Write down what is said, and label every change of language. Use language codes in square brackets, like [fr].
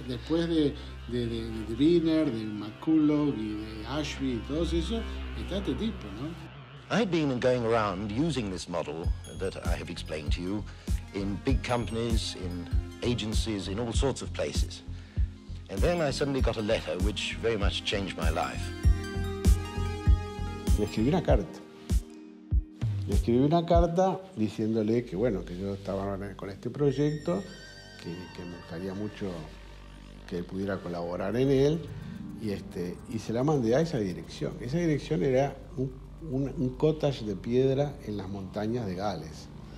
[es] Después de Wiener, de McCulloch y de Ashby y todo eso, está este tipo, ¿no? [en] I've been going around using this model that I have explained to you in big companies, in agencies, in all sorts of places. And then I suddenly got a letter which very much changed my life. [es] Le escribí una carta. Le escribí una carta diciéndole que, bueno, que yo estaba con este proyecto, que me gustaría mucho que él pudiera colaborar en él, y se la mandé a esa dirección. Esa dirección era un cottage de piedra en las montañas de Gales.